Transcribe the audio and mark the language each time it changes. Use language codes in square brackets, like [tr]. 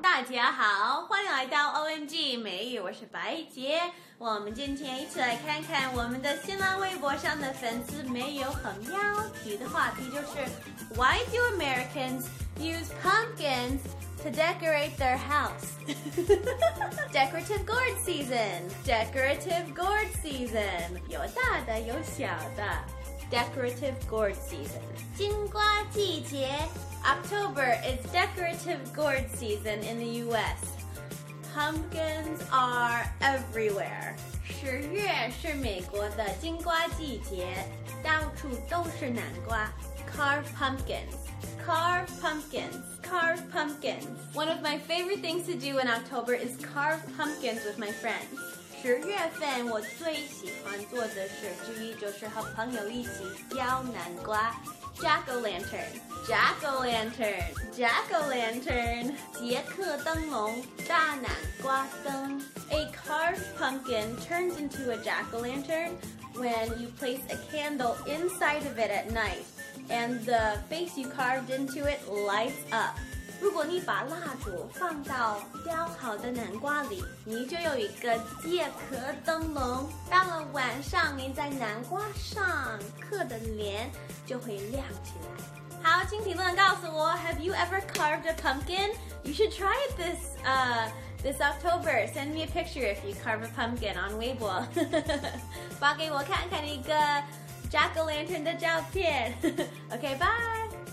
[zh] 家好，欢迎来到 OMG 美语，我是白杰。我们今天一起来看看我们的新浪微博上的粉丝没有很标题的话题，就是 [en] Why do Americans use pumpkins to decorate their house? Decorative gourd season. Decorative gourd season. [zh] 有大的有小的。 [en] Decorative gourd season. [zh] 金瓜季节。 [en] October is decorative gourd season in the US. Pumpkins are everywhere. [zh] 十月是美国的金瓜季节，到处都是南瓜。 [en] Carve pumpkins. Carve pumpkins. Carve pumpkins. One of my favorite things to do in October is carve pumpkins with my friends. [zh] 十月份我最喜欢做的事之一就是和朋友一起雕南瓜。 [en] Jack-o-lantern, jack-o-lantern, jack-o-lantern, [zh] 杰克灯笼，大南瓜灯。 [en] A carved pumpkin turns into a jack-o-lantern when you place a candle inside of it at night, and the face you carved into it lights up. [zh] 如果你把蜡烛放到雕好的南瓜里，你就有一个借壳灯笼。到了晚上，你在南瓜上刻的脸就会亮起来。好，请评论告诉我 [en] ，Have you ever carved a pumpkin? You should try it this October. Send me a picture if you carve a pumpkin on Weibo. [zh] 发给我看看一个 jack-o-lantern 的照片。 [en] OK, bye.